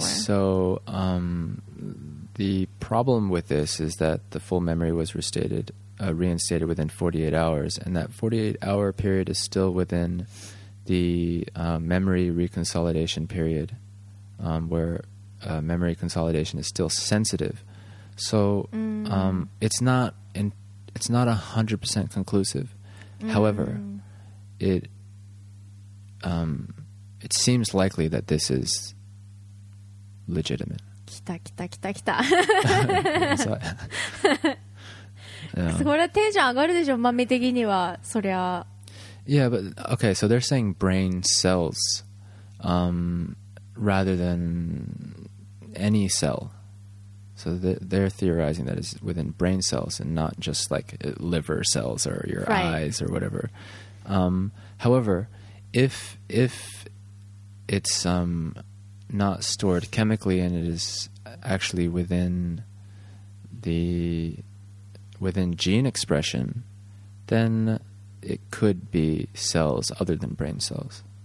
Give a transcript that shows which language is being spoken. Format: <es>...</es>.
<en>So, the problem with this is that the full memory was reinstated within 48 hours, and that 48-hour period is still within the memory reconsolidation period, where memory consolidation is still sensitive. So, it's not 100% conclusive. However, it seems likely that this is legitimate.</en> <ja>来た来た来た来た。それテンション上がるでしょ、マミ的にはそりゃ。</ja> <en>Yeah, but okay. So they're saying brain cells, rather than any cell. So they're theorizing that it's within brain cells and not just like liver cells or your eyes or whatever. However. If it's not stored chemically and it is actually within gene expression, then it could be cells other than brain cells.</en>